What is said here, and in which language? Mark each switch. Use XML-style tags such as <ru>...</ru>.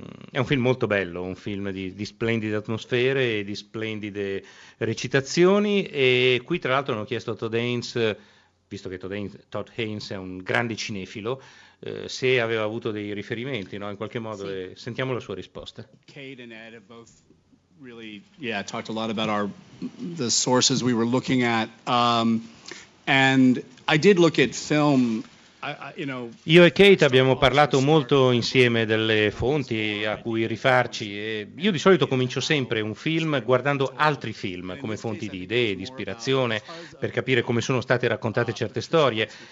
<it>È un film molto bello, un film di splendide atmosfere e di splendide recitazioni, e qui tra l'altro hanno chiesto a Todhains visto che Todd Haynes è un grande cinefilo, se aveva avuto dei riferimenti, no? In qualche modo, sì. Sentiamo la sua risposta.</it> <en>Kate and Ed have both really, yeah, talked a lot about the sources we were looking at. And I did look at film.</en> <it>Io e Kate abbiamo parlato molto insieme delle fonti a cui rifarci. E io di solito comincio sempre un film guardando altri film come fonti di idee, di ispirazione, per capire come sono state raccontate certe storie.</it>